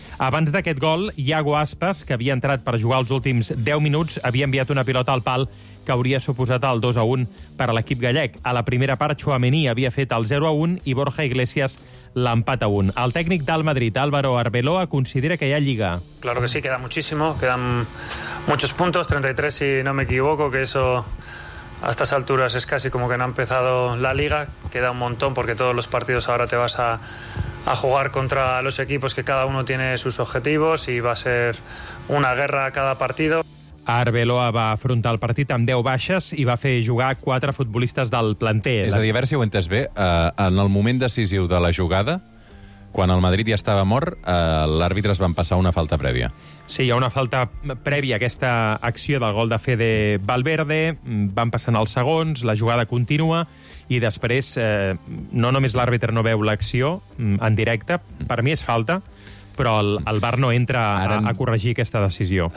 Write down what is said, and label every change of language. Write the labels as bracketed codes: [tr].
[ca] Abans d'aquest gol, Iago Aspas, que havia entrat per jugar els últims 10 minuts, havia enviat una pilota al pal que hauria suposat el 2-1 per a l'equip gallec. A la primera part, Tchouaméni havia fet el 0-1 i Borja Iglesias l'empat a 1. El tècnic del Madrid, Álvaro Arbeloa, considera que hi ha lliga. [es] Claro que sí, queda muchísimo, quedan muchos puntos, 33 si no me equivoco, que eso A estas alturas es casi como que no ha empezado la liga, queda un montón porque todos los partidos ahora te vas a jugar contra los equipos que cada uno tiene sus objetivos y va a ser una guerra a cada partido. [ca] Arbeloa va afrontar el partit amb 10 baixes i va fer jugar 4 futbolistes del planter. És a dir, a veure si ho entès bé, en el moment decisiu de la jugada, quan el Madrid ja estava mort, l'àrbitre es van passar una falta prèvia. Sí, hi ha una falta prèvia a aquesta acció del gol de Fede Valverde, van passant els segons, la jugada continua, i després no només l'àrbitre no veu l'acció en directe, per mi és falta, però el VAR no entra a corregir aquesta decisió.